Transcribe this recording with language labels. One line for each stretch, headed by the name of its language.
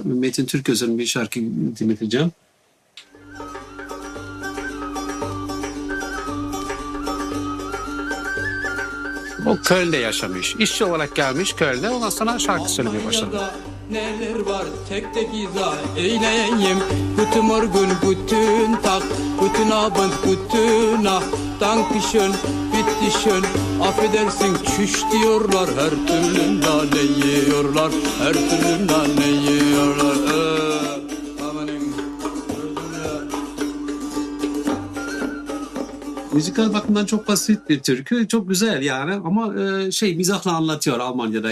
Turkish: Metin Türköz'ün bir şarkı dinleteceğim. O Köln'de yaşamış. İşçi olarak gelmiş Köln'de. Ondan sonra şarkı söylemeye başladı. Neler var tek tek izah eyleyeyim.
German: Guten Morgen, guten Tag, guten Abend, guten Nacht. Danke schön, bitte schön.
Turkish: Affedersin çüş diyorlar. Her türlü nane yiyorlar. Her türlü nane yiyorlar. Müzikal bakımdan çok basit bir türkü. Çok güzel yani ama mizahla anlatıyor Almanya'da.